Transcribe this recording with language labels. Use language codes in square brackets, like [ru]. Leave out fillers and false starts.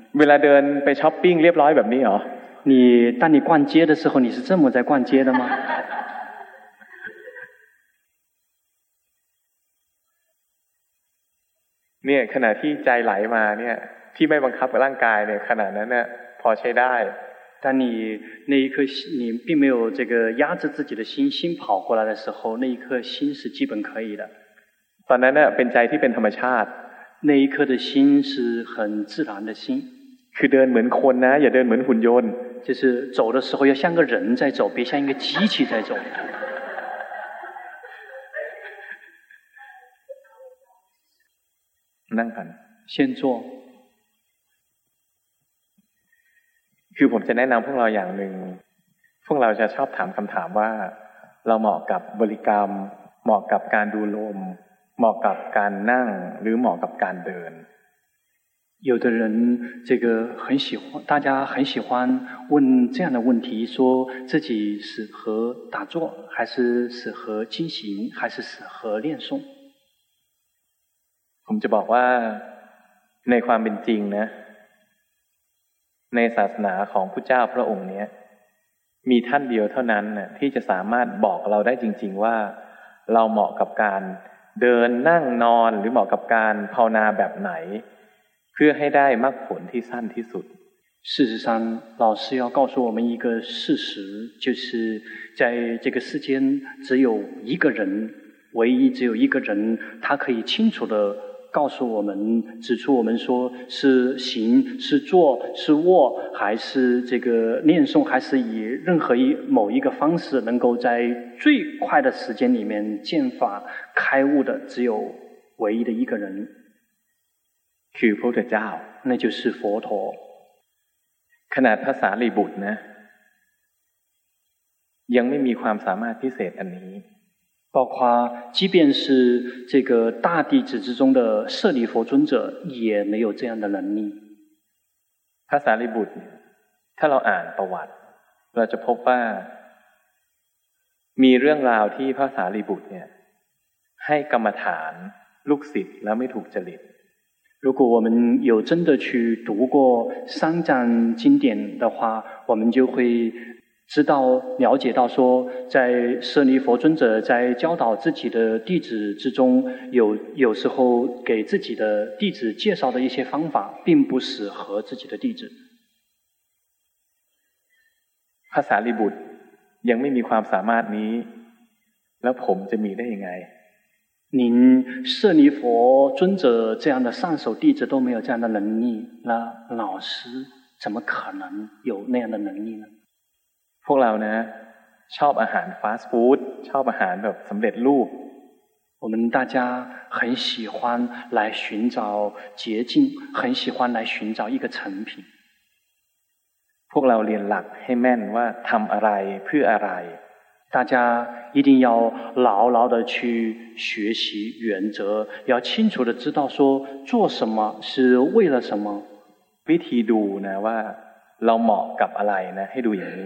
[th] เวลาเดินไปช้อปปิ้งเรียบร้อยแบบนี้เหร [zh] อ你当你逛街的时候你是这么在逛街的吗 [th] เนี่ยขณะที่ใจไหลมาเนี่ยที่ไม่บังคับกับร่างกายเนี่ยขณะนั้นเนี่ยพอใช้ได้ [zh] 当你那一刻你并没有这个压制自己的心心跑过来的时候那一刻心是基本可以的 [th] ตอนนั้นเนี่ยเป็นใจที่เป็นธรรมชาติ [zh] 那一刻的心是很自然的心 [th] คือเดินเหมือนคนนะอย่าเดินเหมือนหุ่นยนต์ [zh] 就是走的时候要像个人在走别像一个机器在走 [th] นั่งกัน [zh] 先坐 [th] คือผมจะแนะนำพวกเราอย่างหนึ่งพวกเราจะชอบถามคำถามว่าเราเหมาะกับบริกรรมเหมาะกับการดูลมเหมาะกับการนั่งหรือเหมาะกับการเดิน [zh] 有的人这个很喜欢大家很喜欢问这样的问题说自己适合打坐还是适合静行还是适合练诵 [th] ผ ผมจะบอกว่าในความเป็นจริงนะในศาสนาของพุทธเจ้าพระองค์เนี้ยมีท่านเดียวเท่านั้นน่ะที่จะสามารถบอกเราได้จริงๆว่าเราเหมาะกับการเดินนั่งนอนหรือเหมาะกับการภาวนาแบบไหนเพื่อให้ได้มรรคผลที่สั้นที่สุด [zh] 事实上老师要告诉我们一个事实就是在这个世间只有一个人唯一只有一个人他可以清楚地告诉我们指出我们说是行是坐是卧还是这个念诵还是以任何一某一个方式能够在最快的时间里面见法开悟的只有唯一的一个人 [th] คือพระพุทธเจ้า [zh] 那就是佛陀 [th] ขนาดพระสารีบุตรนะยังไม่มีความสามารถพิเศษอันนี้ [zh] 包括即便是这个大弟子之中的舍利弗尊者也没有这样的能力 [th] พระสารีบุตรถ้าเราอ่านประวัติเราจะพบว่ามีเรื่องราวที่พระสารีบุตรเนี่ยให้กรรมฐานลูกศิษย์แล้วไม่ถูกจริต [zh] 如果我们有真的去读过三藏经典的话我们就会知道了解到说在舍利弗尊者在教导自己的弟子之中有时候给自己的弟子介绍的一些方法并不适合自己的弟子 [th] พระสารีบุตรยังไม่มีความสามารถนี้แล้วผมจะมีได้ยังไง [zh] 您舍利弗尊者这样的上首弟子都没有这样的能力那老师怎么可能有那样的能力呢 [th] พวกเรานะชอบอาหารฟาสต์ฟู้ดชอบอาหารแบบสําเร็จรูป [zh] 我们大家很喜欢来寻找捷径很喜欢来寻找一个成品 [th] พวกเราเรียนหลักให้แม่นว่าทําอะไรเพื่ออะไร [zh] 大家一定要牢牢地去学习原则要清楚地知道说做什么是为了什么 [th] วิธีดูนะว่าเราเหมาะกับอะไรนะให้ดูอย่างนี